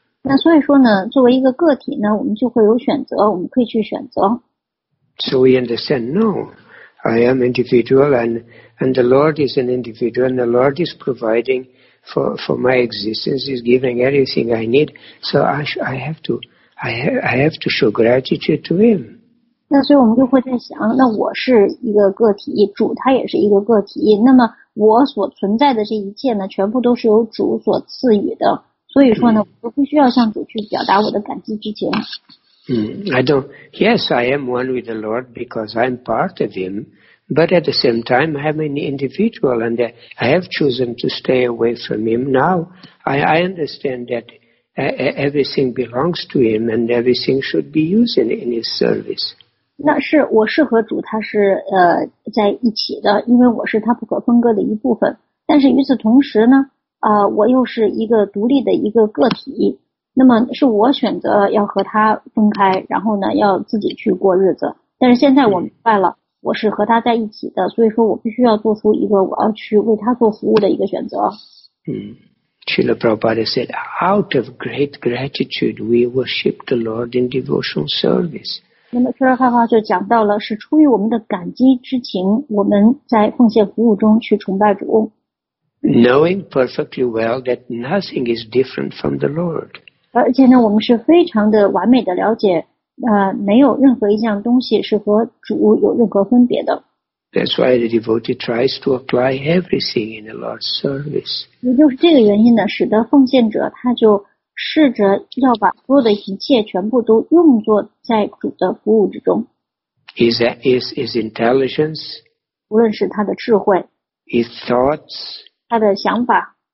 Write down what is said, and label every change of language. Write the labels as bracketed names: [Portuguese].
[Chinese] 那所以说呢，作为一个个体呢，我们就会有选择，我们可以去选择。 [English] So we understand no. I am individual and the Lord is an individual and the Lord is providing for my existence, is giving everything I need. So I have to show gratitude to him. [Chinese] 那所以我们就会在想，那我是一个个体，主他也是一个个体，那么我所存在的这一切呢，全部都是由主所赐予的。所以说呢，我不需要向主去表达我的感激之情。 [English] Yes, I am one with the Lord because I'm part of Him, but at the same time, I'm an individual and I have chosen to stay away from Him. Now, I understand that everything belongs to Him and everything should be used in His service. [Chinese] 那是我是和主他是在一起的，因为我是他不可分割的一部分。但是与此同时呢，我又是一个独立的一个个体。那么是我选择要和他分开，然后呢要自己去过日子。但是现在我明白了，我是和他在一起的，所以说我必须要做出一个我要去为他做服务的一个选择。 [English] Srila Prabhupada said, out of great gratitude, we worship the Lord in devotional service. [Chinese] 那么Srila Prabhupada就讲到了，是出于我们的感激之情，我们在奉献服务中去崇拜主。 [English] Knowing perfectly well that nothing is different from the Lord. [Chinese] 而且呢，我们是非常的完美的了解，没有任何一项东西是和主有任何分别的。 [English] That's why the devotee tries to apply everything in the Lord's service. [Chinese] 也就是这个原因呢，使得奉献者他就试着要把所有的一切全部都用作在主的服务之中。 [English] Is intelligence? [Chinese] 无论是他的智慧 [English] ，his thoughts， [Chinese] 他的想法